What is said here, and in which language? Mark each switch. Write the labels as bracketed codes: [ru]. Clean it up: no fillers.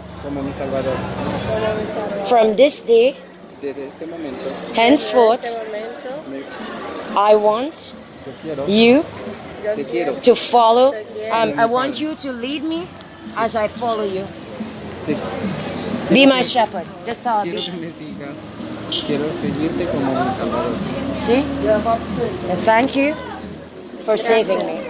[es] Como mi Salvador. [en] From this day. [es] Desde este momento. [en] Henceforth. [es] Desde este momento. [en] I want you to follow. I want you to lead me as I follow you. Be my shepherd. That's all. [es] Quiero seguirte como mi salvador. Sí. [en] And thank you for saving me.